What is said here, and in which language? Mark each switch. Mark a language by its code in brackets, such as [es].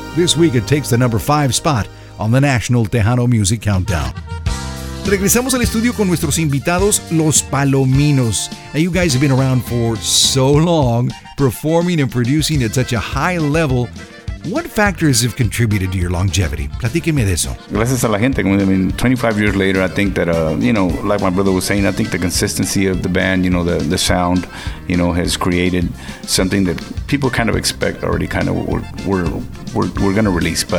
[en] This week it takes the number 5 spot on the National Tejano Music Countdown. [es] Regresamos al estudio con nuestros invitados, Los Palominos. [en] Now you guys have been around for so long, performing and producing at such a high level. What factors have contributed to your longevity? [es] Platíqueme de eso. Gracias a la gente. [en] I mean, 25 years later, I think that, you know, like my brother was saying, I think the consistency of the band, you know, the sound, you know, has created something that people kind of expect already, kind of we're going to release.